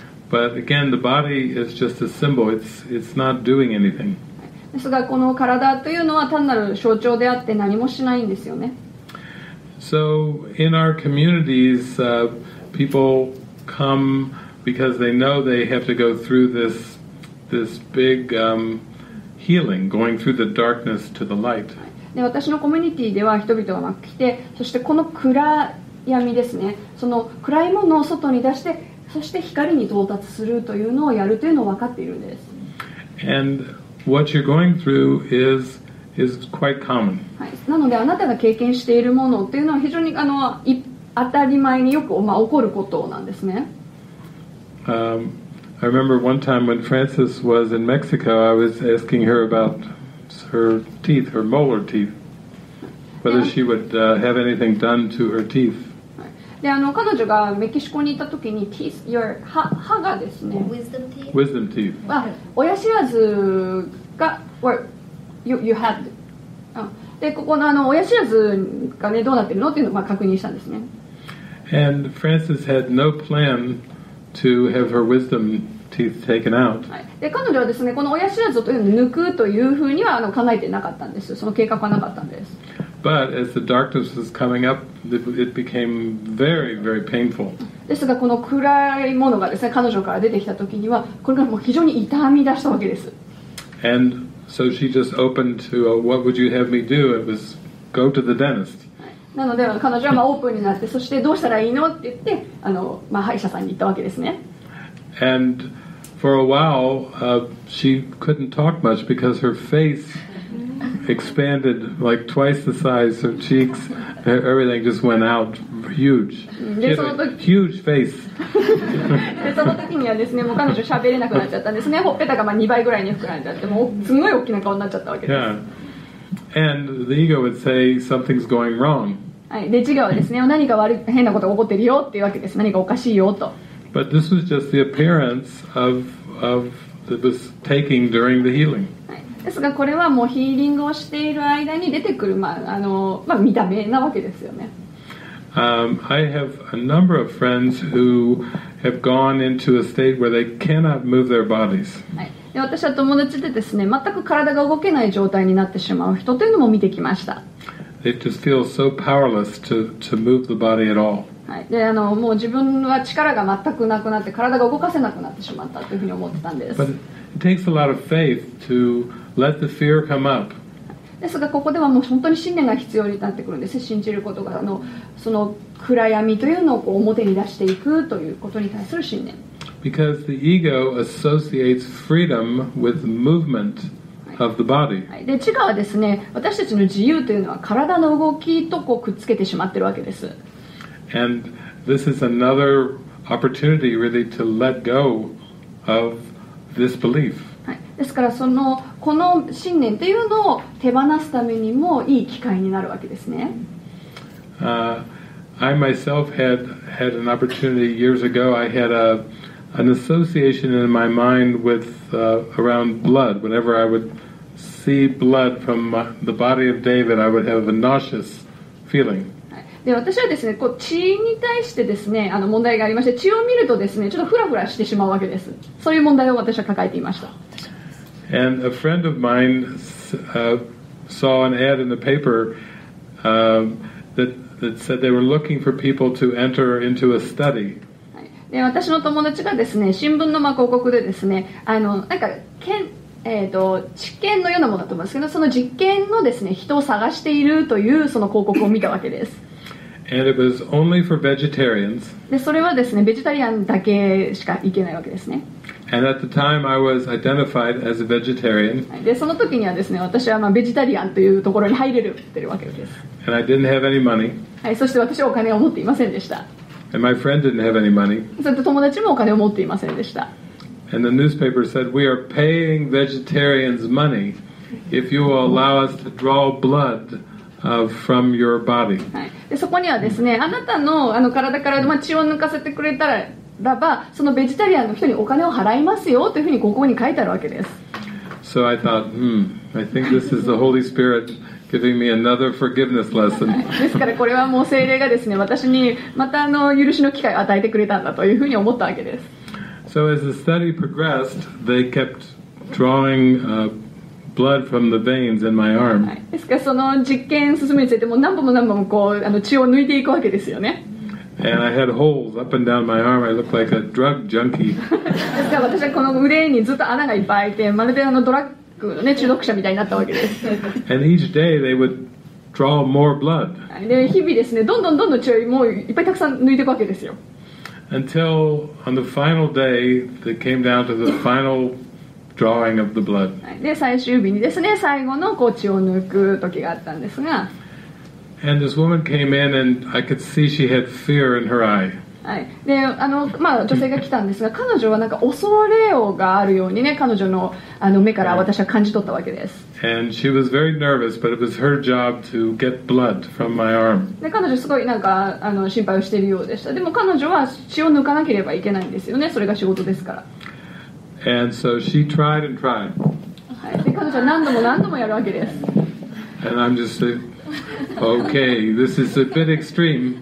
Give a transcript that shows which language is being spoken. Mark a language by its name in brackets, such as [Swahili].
[English] But again, the body is just a symbol. It's not doing anything. [Japanese] ですがこの体というのは単なる象徴であって何もしないんですよね。 [English] So in our communities, people come because they know they have to go through this big healing, going through the darkness to the light. [Japanese] で私のコミュニティでは人々が来て、そしてこの暗闇ですね、その暗いものを外に出して、そして光に到達するというのをやるというのを分かっているんです。 [English] And what you're going through is quite common. [Japanese] なのであなたが経験しているものっていうのは非常にあの当たり前によく、まあ、起こることなんですね。 [English] I remember one time when Frances was in Mexico, I was asking her about her teeth, her molar teeth, whether she would have anything done to her teeth. [Japanese] であの彼女がメキシコにいた時に [English] teeth, your [Japanese] 歯がですね [English] Wisdom teeth. Wisdom teeth. [Japanese] 親知らずが [English] where you have [Japanese] でここ の, あの親知らずが、ね、どうなってるのっていうのを、まあ、確認したんですね。 [English] And Frances had no plan to have her wisdom teeth taken out、 [Japanese] はい、で彼女はですねこの親知らずというのを抜くというふうにはあの考えてなかったんです。その計画はなかったんです。 [English] But as the darkness was coming up, it became very, very painful. [Japanese] ですがこの暗いものがですね、彼女から出てきた時にはこれがもう非常に痛み出したわけです。 [English] And so she just opened to, what would you have me do? It was go to the dentist. [Japanese] なので彼女はまあオープンになって、そしてどうしたらいいのって言って、あの、まあ、歯医者さんに行ったわけですね。 [English] And for a while, she couldn't talk much because her faceExpanded like twice the size of cheeks. Everything just went out huge. She had a huge face. [Japanese] でその時にはですね、もう彼女喋れなくなっちゃったんですね。ほっぺたがまあ2倍ぐらいに膨らんじゃって、もうすごい大きな顔になっちゃったわけです。 [English] Yeah. And the ego would say something's going wrong. [Japanese] はい、で自我はですね、何か悪い変なことが起こってるよっていうわけです。何かおかしいよと。 [English] But this was just the appearance of that was taking during the healing. [Japanese] ですがこれはもうヒーリングをしている間に出てくる、まああのまあ、見た目なわけですよね。 [English] I have a number of friends who have gone into a state where they cannot move their bodies. [Japanese] はい、で私は友達でですね、全く体が動けない状態になってしまう人というのも見てきました。 [English] They just feel so powerless to move the body at all. [Japanese] はい、であのもう自分は力が全くなくなって体が動かせなくなってしまったというふうに思ってたんです。 [English] But it takes a lot of faith to let the fear come up. [Japanese] ですがここではもう本当に信念が必要になってくるんです。信じることがあのその暗闇というのをこう表に出していくということに対する信念。 [English] Because the ego associates freedom with movement of the body. [Japanese] で、自我はですね、私たちの自由というのは体の動きとこうくっつけてしまっているわけです。 [English] And this is another opportunity really to let go of this belief. [Japanese] ですからそのこの信念というのを手放すためにもいい機会になるわけですね。 [English] I myself had an opportunity years ago. I had an association in my mind with around blood. Whenever I would see blood from the body of David, I would have a nauseous feeling. [Japanese] で私はですね、こう血に対してですね、あの問題がありまして、血を見るとですね、ちょっとフラフラしてしまうわけです。そういう問題を私は抱えていました。 [English] And a friend of mine saw an ad in the paper that said they were looking for people to enter into a study. [Japanese] で私の友達がですね、新聞のまあ広告でですね、あのなんか治験のようなものだと思うんですけど、その実験のですね、人を探しているというその広告を見たわけです。 [English] And it was only for vegetarians. [Japanese] でそれはですね、ベジタリアンだけしか行けないわけですね。 [English] And at the time, I was identified as a vegetarian. [Japanese] でその時にはですね、私はまあベジタリアンというところに入れるっていうわけです。 [English] And I didn't have any money. [Japanese] はい、そして私はお金を持っていませんでした。 [English] And my friend didn't have any money. [Japanese] そして友達もお金を持っていませんでした。 [English] And the newspaper said, "We are paying vegetarians money if you will allow us to draw blood from your body." [Japanese] はい。でそこにはですね、あなた の, あの体から、まあ、血を抜かせてくれたらば、そのベジタリアンの人にお金を払いますよというふうにここに書いてあるわけです。 [English] So I thought, I think this is the Holy Spirit giving me another forgiveness lesson. [Japanese] ですからこれはもう聖霊がですね、私にまたあの許しの機会を与えてくれたんだというふうに思ったわけです。 [English] So as the study progressed, they kept drawing blood from the veins in my arm. [Japanese] ですからその実験進むについても何本も何本もこうあの血を抜いていくわけですよね。 [English] And I had holes up and down my arm. I looked like a drug junkie. [Japanese] ですから私はこの腕にずっと穴がいっぱい開いて、まるであのドラッグのね中毒者みたいになったわけです。 [English] And each day they would draw more blood. [Japanese] で日々ですね、どんどんどんどん血をもういっぱいたくさん抜いていくわけですよ。 [English] Until on the final day, they came down to the final drawing of the blood. [Japanese] で最終日にですね、最後のこう血を抜く時があったんですが。 [English] And this woman came in, and I could see she had fear in her eye. [Japanese] はい。で、あのまあ女性が来たんですが、彼女はなんか恐れようがあるようにね、彼女のあの目から私は感じ取ったわけです。 [English] And she was very nervous, but it was her job to get blood from my arm. [Japanese] で彼女すごいなんかあの心配をしているようでした。でも彼女は血を抜かなければいけないんですよね。それが仕事ですから。 [English] And so she tried and tried. [Japanese] はい。で彼女は何度も何度もやるわけです。 [English] And I'm just like, okay, this is a bit extreme.